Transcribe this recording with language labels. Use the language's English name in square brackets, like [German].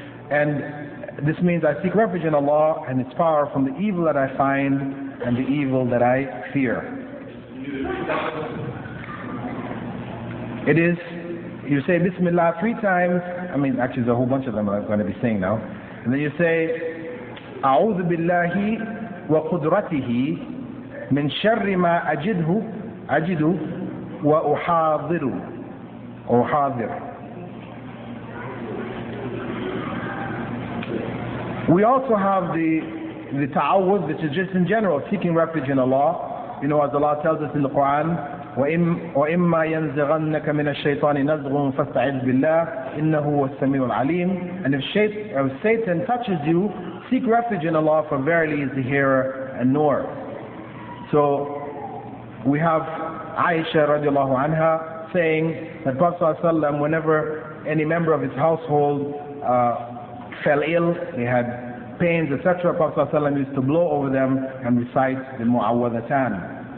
[English] And this means I seek refuge in Allah and His power from the evil that I find and the evil that I fear. It is, you say Bismillah three times, I mean actually there's a whole bunch of them I'm going to be saying now. And then you say, [Arabic] أعوذ بالله وقدرته من شر ما أجده أجده وأحاضر أحاضر. [English] We also have the ta'awudh, which is just in general, seeking refuge in Allah. You know, as Allah tells us in the Quran, [Arabic] وَإِمَّا يَنْزِغَنَّكَ مِنَ الشَّيْطَانِ نَزْغٌ فَاسْتَعِذْ بِاللَّهِ إِنَّهُ وَالسَّمِيعُ الْعَلِيمُ. [English] And if Satan touches you, seek refuge in Allah, for verily He is the hearer and knower. So we have Aisha radiallahu anha saying that Prophet ﷺ, whenever any member of his household fell ill, they had pains, etc., Prophet ﷺ used to blow over them and recite the Mu'awwadhatan.